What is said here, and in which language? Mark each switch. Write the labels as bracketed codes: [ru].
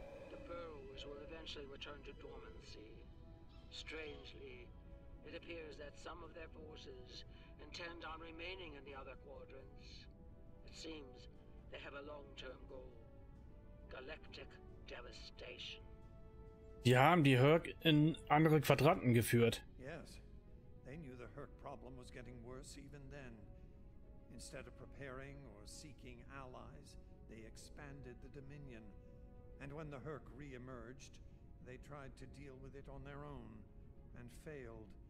[en] The Burrows will eventually return to dormancy. Strangely, it appears that some of their forces intend on remaining in the other quadrants. It seems they have a long-term goal. Galactic devastation. [de] Die haben die Herc in andere Quadranten geführt. [en] Yes. They knew the Herc problem was getting worse even then. Instead of preparing or seeking allies, they expanded the Dominion. And when the Herc re-emerged, they tried to deal with it on their own and failed.